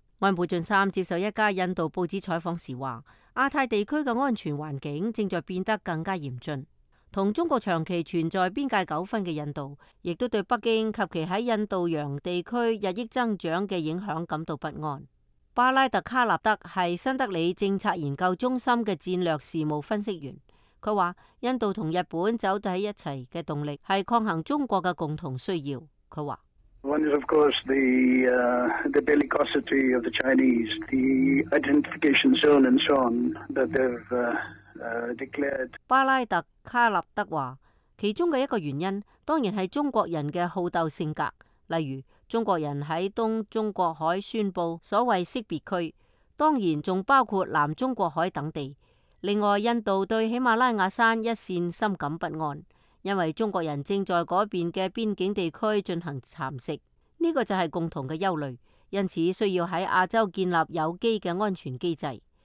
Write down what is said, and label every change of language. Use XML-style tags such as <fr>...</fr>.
<zh>安倍晋三接受一家印度报纸采访时说，亚太地区的安全环境正在变得更加严峻，和中国长期存在边界纠纷的印度亦都对北京及其在印度洋地区日益增长的影响感到不安。巴拉特卡纳德是新德里政策研究中心的战略事务分析员，他说，印度和日本走在一起的动力是抗衡中国的共同需要。他说</zh> <en>One is of course the bellicosity of the Chinese, the identification zone and so on that they've declared.</en> <zh>巴拉特卡纳德说，其中的一个原因当然是中国人的好斗性格，例如中国人在东中国海宣布所谓识别区，当然还包括南中国海等地。另外，印度对喜马拉雅山一线深感不安，因为中国人正在那边的边境地区进行蚕食，这个就是共同的忧虑，因此需要在亚洲建立有机的安全机制。</zh>